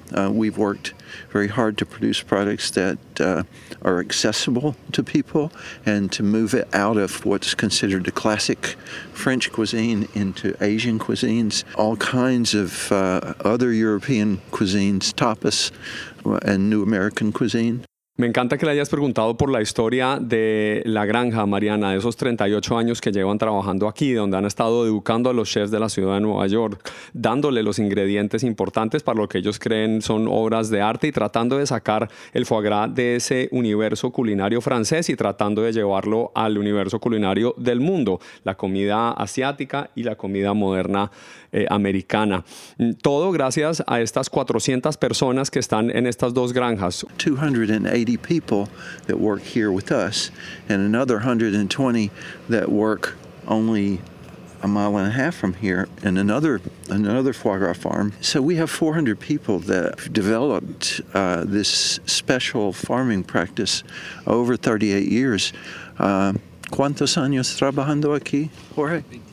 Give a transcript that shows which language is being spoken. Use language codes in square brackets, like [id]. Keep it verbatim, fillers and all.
[en] Uh, we've worked very hard to produce products that uh, are accessible to people and to move it out of what's considered a classic French cuisine into Asian cuisines, all kinds of uh, other European cuisines, tapas, and new American cuisine. [es] Me encanta que le hayas preguntado por la historia de la granja, Mariana, de esos treinta y ocho años que llevan trabajando aquí, donde han estado educando a los chefs de la ciudad de Nueva York, dándole los ingredientes importantes para lo que ellos creen son obras de arte y tratando de sacar el foie gras de ese universo culinario francés y tratando de llevarlo al universo culinario del mundo, la comida asiática y la comida moderna eh, americana. Todo gracias a estas cuatrocientas personas que están en estas dos granjas. [en] two hundred eighty people that work here with us and another one hundred twenty that work only a mile and a half from here and another another foie gras farm. So we have four hundred people that have developed uh, this special farming practice over thirty-eight years. [es] Uh, ¿Cuántos años trabajando aquí, Jorge?